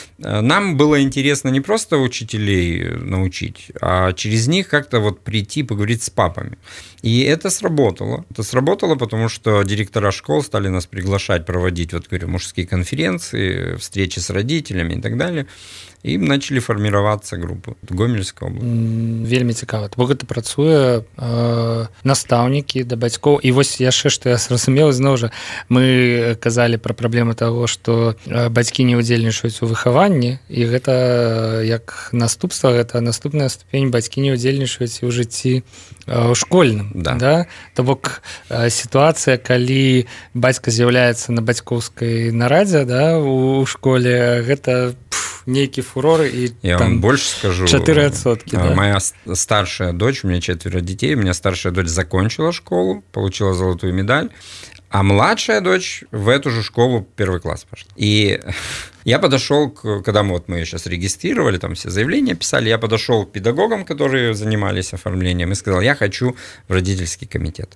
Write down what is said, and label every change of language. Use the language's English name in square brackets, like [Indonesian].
[Russian] Нам было интересно не просто учителей научить, а через них как-то вот прийти поговорить с папами. И это сработало. Это сработало, потому что директора школ стали нас приглашать проводить, вот говорю, мужские конференции, встречи с родителями и так далее. И начали формироваться группы в Гомельской области. [Belarusian] Вельми цікаво. Бо гэта працуе наставнікі да бацькоў. І вось яшчэ, што я зразумеў, зноў жа, мы казалі пра праблему таго, што бацькі не ўдзельнічаюць у выхаванні, і гэта як наступства, гэта наступная ступень, бацькі не ўдзельнічаюць у жыцці у школьным. Да. Да? То бок сітуацыя, калі бацька з'яўляецца на бацькоўскай нарадзе, да, у школе, гэта... [Russian] некие фуроры и я там вам больше скажу, 4%, да. Моя старшая дочь, у меня 4 детей, у меня старшая дочь закончила школу, получила золотую медаль, а младшая дочь в эту же школу первый класс пошла. И я подошел, когда мы, вот мы ее сейчас регистрировали, там все заявления писали, я подошел к педагогам, которые занимались оформлением, и сказал, я хочу в родительский комитет.